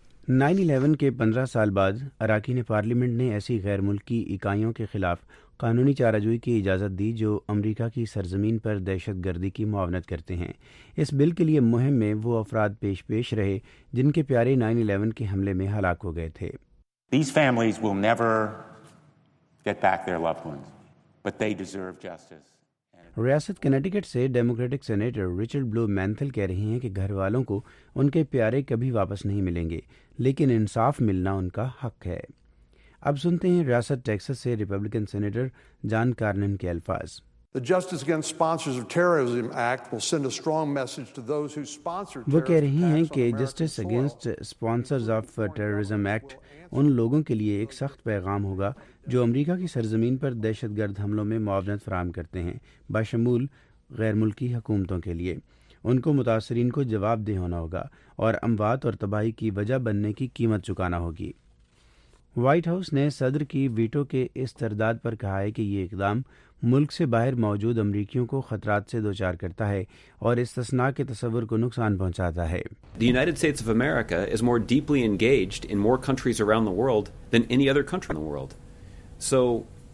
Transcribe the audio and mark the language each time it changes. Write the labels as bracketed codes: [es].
[ur] 9/11 کے 15 سال بعد اراکین پارلیمنٹ نے ایسی غیر ملکی اکائیوں کے خلاف قانونی چارہ جوئی کی اجازت دی جو امریکہ کی سرزمین پر دہشت گردی کی معاونت کرتے ہیں۔ اس بل کے لیے مہم میں وہ افراد پیش رہے جن کے پیارے 9/11 کے حملے میں ہلاک ہو گئے تھے۔ [en] These families will never get back their loved ones, but they deserve justice. [ur] ریاست کنیٹیکٹ سے ڈیموکریٹک سینیٹر رچرڈ بلو مینتھل کہہ رہے ہیں کہ گھر والوں کو ان کے پیارے کبھی واپس نہیں ملیں گے، لیکن انصاف ملنا ان کا حق ہے۔ اب سنتے ہیں ریاست ٹیکساس سے ریپبلکن سینیٹر جان کارنن کے الفاظ۔ [en] The Justice Against Sponsors of Terrorism Act will send a strong message to those who sponsor terrorism. [ur] وہ کہہ رہی ہیں کہ justice against sponsors of terrorism act in لوگوں کے لیے ایک سخت پیغام ہوگا جو امریکہ کی سرزمین پر دہشت گرد حملوں میں معاونت فراہم کرتے ہیں، بشمول غیر ملکی حکومتوں کے لیے۔ ان کو متاثرین کو جواب دہ ہونا ہوگا اور اموات اور تباہی کی وجہ بننے کی قیمت چکانا ہوگی۔ وائٹ ہاؤس نے صدر کی ویٹو کے اس ترداد پر کہا ہے کہ یہ اقدام ملک سے باہر موجود امریکیوں کو خطرات سے دوچار کرتا ہے اور استثناء کے تصور کو نقصان پہنچاتا ہے۔ [en] The United States of America is more deeply engaged in more countries around the world than any other country in the world. So